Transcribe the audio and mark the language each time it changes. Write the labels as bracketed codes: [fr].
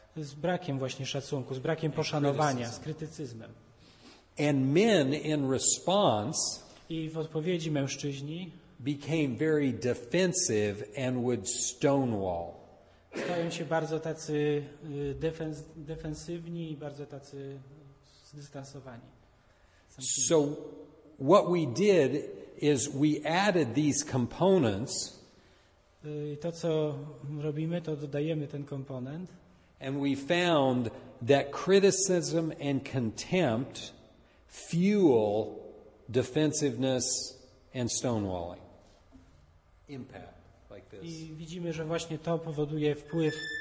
[pl] Z brakiem właśnie szacunku, z brakiem poszanowania, z krytycyzmem. [en] And men in response, [pl] i w odpowiedzi mężczyźni, [en] became very defensive and would stonewall. [pl] Stają się bardzo tacy defensywni i bardzo tacy zdystansowani. [en] So what we did is we added these components. [pl] To co robimy, to dodajemy ten komponent. [en] And we found that criticism and contempt fuel defensiveness and stonewalling. Impact. [pl] I widzimy, że właśnie to powoduje wpływ